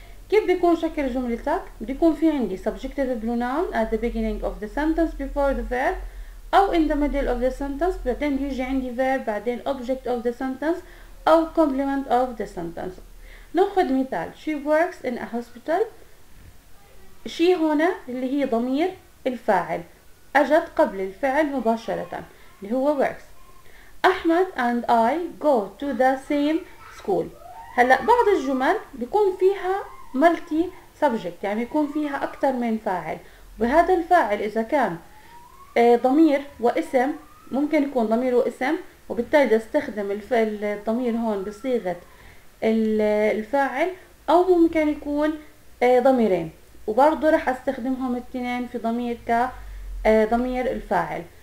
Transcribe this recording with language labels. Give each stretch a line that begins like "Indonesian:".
Arabic: كيف بيكون شكل جملتك؟ بيكون في عندي
English: subjective pronoun at the beginning of the sentence before the verb
Arabic: أو
English: in the middle of the sentence,
Arabic: بعدين بيجي عندي
English: verb,
Arabic: بعدين
English: object of the sentence أو complement of the sentence.
Arabic: نأخذ مثال
English: she works in a hospital.
Arabic: she هنا اللي هي ضمير الفاعل أجت قبل الفعل مباشرة اللي هو works.
English: Ahmed and I go to the same school.
Arabic: هلأ بعض الجمل بيكون فيها
English: multi subject
Arabic: يعني بيكون فيها أكثر من فاعل, وهذا الفاعل إذا كان ضمير واسم ممكن يكون ضمير واسم وبالتالي استخدم الضمير هون بصيغة الفاعل او ممكن يكون ضميرين وبرضو رح استخدمهم الاثنين في ضمير كضمير الفاعل.